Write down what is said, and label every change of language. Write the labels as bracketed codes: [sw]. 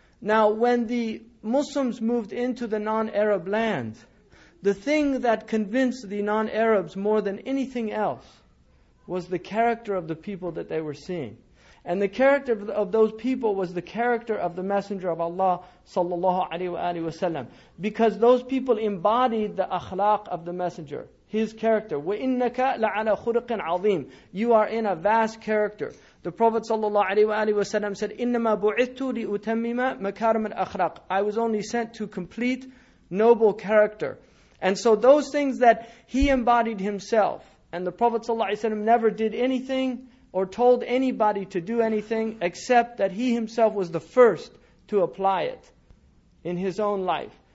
[en] Now when the Muslims moved into the non-Arab lands, the thing that convinced the non-Arabs more than anything else was the character of the people that they were seeing. And the character of those people was the character of the Messenger of Allah sallallahu alaihi wasallam, because those people embodied the akhlaq of the Messenger. his character. [ar] وَإِنَّكَ لَعَلَى خُلُقٍ عَظِيمٍ. [en] You are in a vast character. The Prophet ﷺ said, [ar] إِنَّمَا بُعِثْتُ لِأُتَمِّمَ مَكَارِمَ الْأَخْلَاقِ. [en] I was only sent to complete noble character. And so those things that he embodied himself, and the Prophet ﷺ never did anything or told anybody to do anything except that he himself was the first to apply it in his own life.